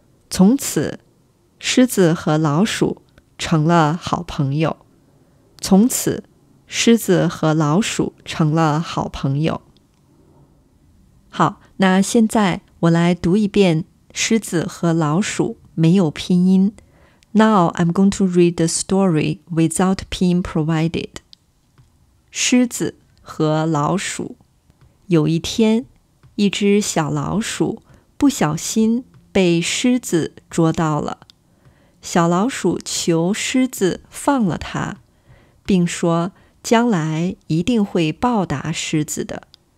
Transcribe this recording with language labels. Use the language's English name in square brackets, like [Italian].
[Chinese] 从此，狮子和老鼠成了好朋友。从此，狮子和老鼠成了好朋友。好，那现在我来读一遍狮子和老鼠没有拼音。 [English] Now I'm going to read the story without pinyin provided. [Chinese] 狮子和老鼠。有一天，一只小老鼠不小心被狮子捉到了。小老鼠求狮子放了它，并说将来一定会报答狮子的。